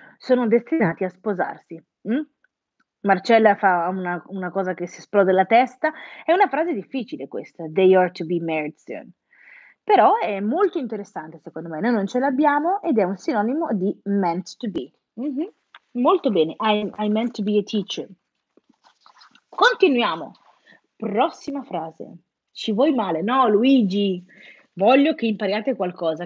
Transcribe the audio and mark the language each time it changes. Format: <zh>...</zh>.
<it>Sono destinati a sposarsi. Marcella fa una cosa che si esplode la testa. È una frase difficile questa,</it> <en>they are to be married soon.</en> <it>Però è molto interessante, secondo me. Noi non ce l'abbiamo ed è un sinonimo di</it> <en>meant to be.</en> <it>Molto bene,</it> <en>I meant to be a teacher.</en> <it>Continuiamo. Prossima frase. Ci vuoi male? No, Luigi, voglio che impariate qualcosa.</it>